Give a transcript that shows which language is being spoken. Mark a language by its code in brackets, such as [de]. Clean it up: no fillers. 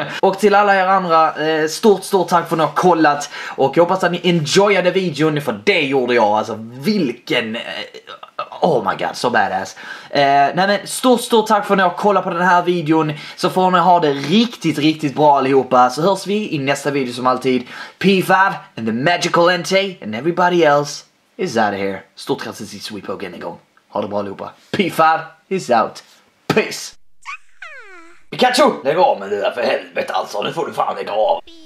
[sv] Och till alla er andra, stort, stort tack för att ni har kollat. Och jag hoppas att ni enjoyade videon, för det gjorde jag. Alltså vilken... [en] oh my god, [sv] så badass. Nej men stort, stort tack för att ni har kollat på den här videon. Så får ni ha det riktigt, riktigt bra allihopa. Så hörs vi i nästa video som alltid. [en] P5 and the magical Entei and everybody else is out of here. [sv] Stort grattis till Sweepoke en gång. Ha det bra allihopa. [en] P5 is out. Peace. [sv] Pikachu, lägg av med det där för helvete alltså. Nu får du fan lägga av.